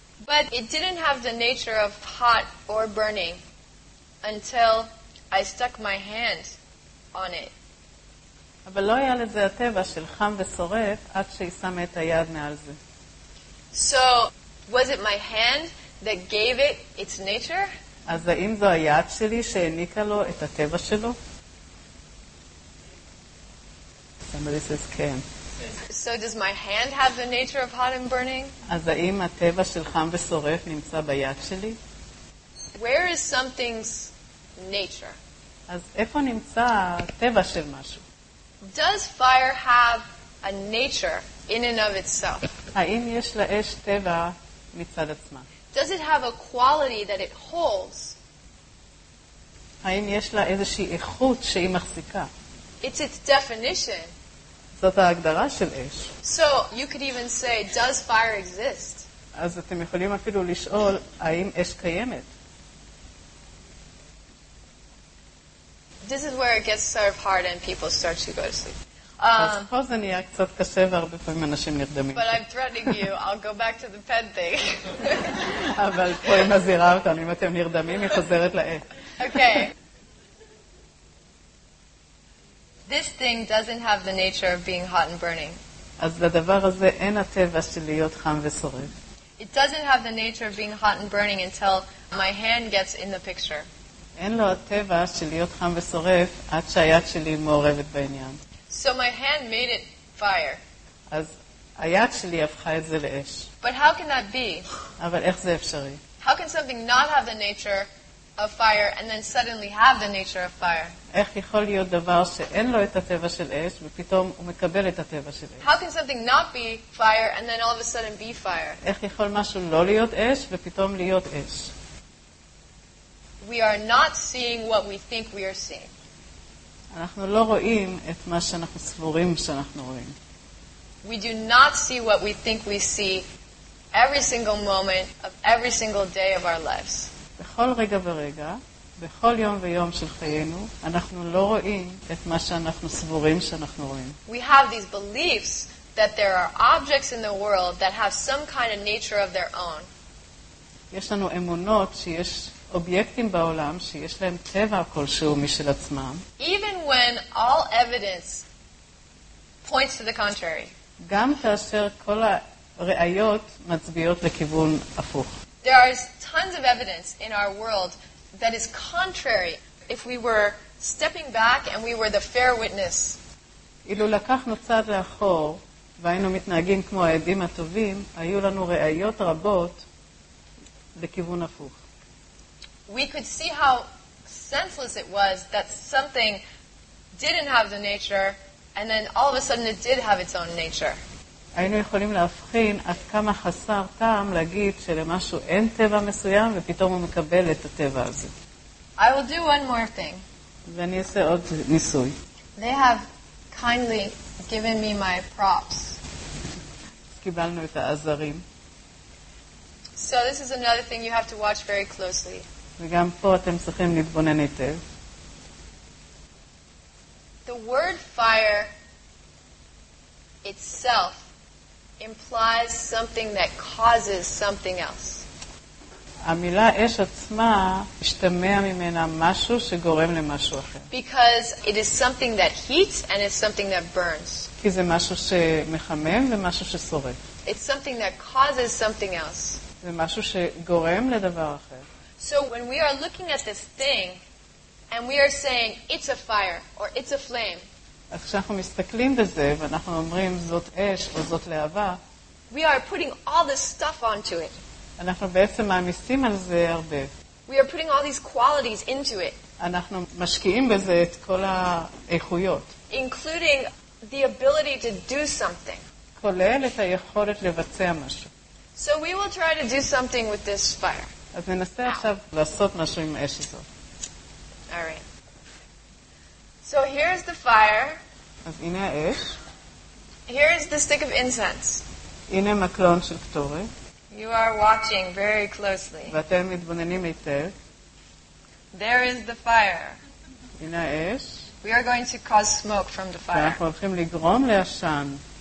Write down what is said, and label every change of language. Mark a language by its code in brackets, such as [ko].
[en] But it didn't have the nature of hot or burning until I stuck my hand on it. [he] אבל לא היה לזה הטבע של חם ושורף עד שהיא שמה את היד מעל זה. [en] So was it my hand that gave it its nature? [he] אז האם זו היד שלי שהעניקה לו את הטבע שלו? [en] Somebody says can. So does my hand have the nature of hot and burning? [he] אז האם הטבע של חם ושורף נמצא ביד שלי? [en] Where is something's nature? [he] אז איפה נמצא הטבע של משהו? [en] Does fire have a nature in and of itself? [he] האם יש לאש טבע מצד עצמה? [en] Does it have a quality that it holds? [he] האם יש לה איזושהי איכות שהיא מחזיקה? [en] It's its definition. [he] זאת ההגדרה של אש. [en] So you could even say, does fire exist? [he] אז אתם יכולים אפילו לשאול, האם אש קיימת? [en] This is where it gets sort of hard and people start to go to sleep. [he] אז פה זה נהיה קצת קשה והרבה פעמים אנשים נרדמים. [en] But I'm threatening you, I'll go back to the pen thing. [he] אבל פה היא מזהירה אותנו, אם אתם נרדמים, היא חוזרת לאש. [en] Okay. this thing doesn't have the nature of being hot and burning. [he] אז לדבר הזה אין הטבע של להיות חם ושורף. [en] It doesn't have the nature of being hot and burning until my hand gets in the picture. [he] אין לו הטבע של להיות חם ושורף עד שהיד שלי מעורבת בעניין. [en] So my hand made it fire. [he] אז היד שלי הפכה את זה לאש. [en] But how can that be? [he] אבל איך זה אפשרי? [en] How can something not have the nature of fire and then suddenly have the nature of fire? [he] איך יכול להיות דבר שאין לו את הטבע של אש ופתאום הוא מקבל את הטבע של אש? [en] How can something not be fire and then all of a sudden be fire? [he] איך יכול משהו לא להיות אש ופתאום להיות אש? [en] We are not seeing what we think we are seeing. [he] אנחנו לא רואים את מה שאנחנו סבורים שאנחנו רואים. [en] We do not see what we think we see every single moment of every single day of our lives. [he] בכל רגע ורגע, בכל יום ויום של חיינו, אנחנו לא רואים את מה שאנחנו סבורים שאנחנו רואים. [en] We have these beliefs that there are objects in the world that have some kind of nature of their own. [he] יש לנו אמונות שיש אובייקטים בעולם שיש להם טבע כלשהו משל עצמם. [en] Even when all evidence points to the contrary. [he] גם כאשר כל הראיות מצביעות לכיוון הפוך. [en] There is tons of evidence in our world that is contrary if we were stepping back and we were the fair witness. [he] אילו לקחנו צעד לאחור והיינו מתנהגים כמו העדים הטובים, היו לנו ראיות רבות לכיוון הפוך. [en] We could see how senseless it was that something didn't have the nature and then all of a sudden it did have its own nature. [he] היינו יכולים להבחין עד כמה חסר טעם להגיד שלמשהו אין טבע מסוים ופתאום הוא מקבל את הטבע הזה. [en] I will do one more thing. [he] ואני אעשה עוד ניסוי. [en] They have kindly given me my props. [he] קיבלנו את העזרים. [en] So this is another thing you have to watch very closely. [he] וגם פה אתם צריכים להתבונן היטב. [en] The word fire itself implies something that causes something else. [he] המילה אש עצמה משתמע ממנה משהו שגורם למשהו אחר. [en] Because it is something that heats and it's something that burns. [he] כי זה משהו שמחמם ומשהו ששורף. [en] It's something that causes something else. [he] זה משהו שגורם לדבר אחר. [en] So when we are looking at this thing and we are saying it's a fire or it's a flame, [he] אז כשאנחנו מסתכלים בזה ואנחנו אומרים זאת אש או זאת להבה, [en] we are putting all this stuff onto it. [he] אנחנו בעצם מעמיסים על זה הרבה. [en] We are putting all these qualities into it. [he] אנחנו משקיעים בזה את כל האיכויות. [en] Including the ability to do something. [he] כולל את היכולת לבצע משהו. [en] So we will try to do something with this fire. [he] אז ננסה עכשיו לעשות משהו עם האש הזאת. [en] All right. So here's the fire. [he] אז הנה האש. [en] Here is the stick of incense. [he] הנה מקלון של קטורת. [en] You are watching very closely. [he] ואתם מתבוננים היטב. [en] There is the fire. [he] הנה האש. [en] We are going to cause smoke from the fire. [he] אנחנו הולכים לגרום לעשן.